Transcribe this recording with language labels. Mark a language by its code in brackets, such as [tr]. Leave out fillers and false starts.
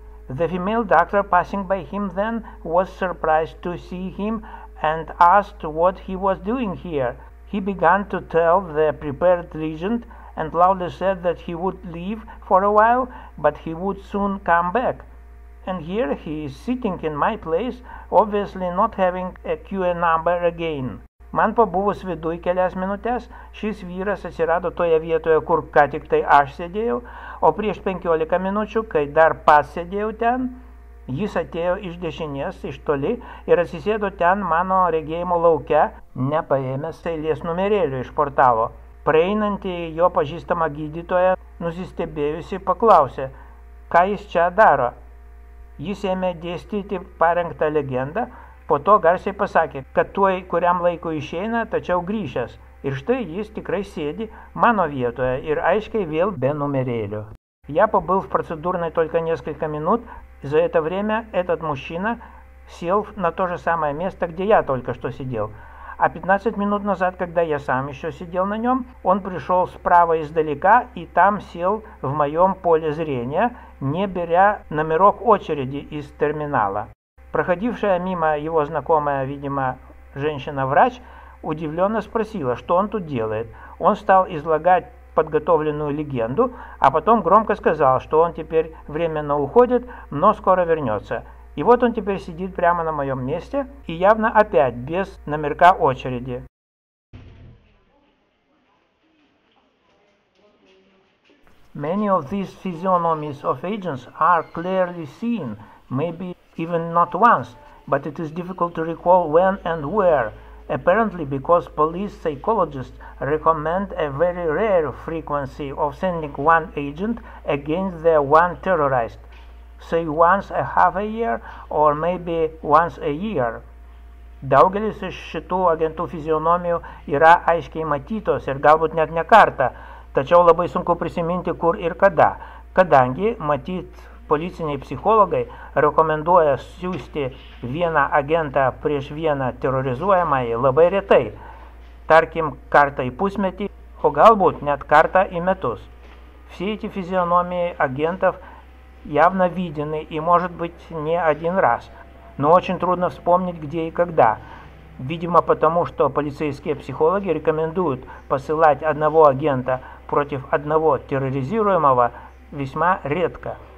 [en] The female doctor passing by him then was surprised to see him and asked what he was doing here. He began to tell the prepared legend and loudly said that he would leave for a while, but he would soon come back. And here he is sitting in my place, obviously not having a QA number again. [lt] Man pabuvus vidui kelias minutės, šis vyras atsirado toje vietoje, kur ką tik tai aš sėdėjau, o prieš 15 minučių, kai dar pats sėdėjau ten, jis atėjo iš dešinės, iš toli, ir atsisėdo ten mano regėjimo lauke, nepaėmęs eilės numerėlių iš portalo. Praeinantį jo pažįstamą gydytoją, nusistebėjusi, paklausė, ką jis čia daro. Jis ėmė dėstyti parengtą legendą, po to garsiai pasakė, kad tuoj kuriam laiku išeina, tačiau grįžęs. Ir štai jis tikrai sėdi mano vietoje ir aiškiai vėl be numerėlių. [ru] Я побыл в процедурной только несколько минут, за это время этот мужчина сел на то же самое место, где я только что сидел. А 15 минут назад, когда я сам еще сидел на нем, он пришел справа издалека и там сел в моем поле зрения, не беря номерок очереди из терминала. Проходившая мимо его знакомая, видимо, женщина-врач, удивленно спросила, что он тут делает. Он стал излагать подготовленную легенду, а потом громко сказал, что он теперь временно уходит, но скоро вернется. И вот он теперь сидит прямо на моем месте и явно опять без номерка очереди. [en] Many of these physiognomies of agents are clearly seen, maybe even not once, but it is difficult to recall when and where. Apparently, because police psychologists recommend a very rare frequency of sending one agent against the one terrorized, say once a half a year or maybe once a year. [lt] Daugelis iš šitų agentų fizionomijų yra aiškiai matytos ir galbūt net ne kartą, tačiau labai sunku prisiminti kur ir kada, kadangi matyt policiniai psichologai rekomenduoja siųsti vieną agentą prieš vieną terrorizuojamąjį labai retai, tarkim kartą į pusmetį, o galbūt net kartą į metus. [ru] Все эти физиономии агентов явно видены и, может быть, не один раз, но очень трудно вспомнить, где и когда. Видимо, потому что полицейские психологи рекомендуют посылать одного агента против одного терроризируемого весьма редко.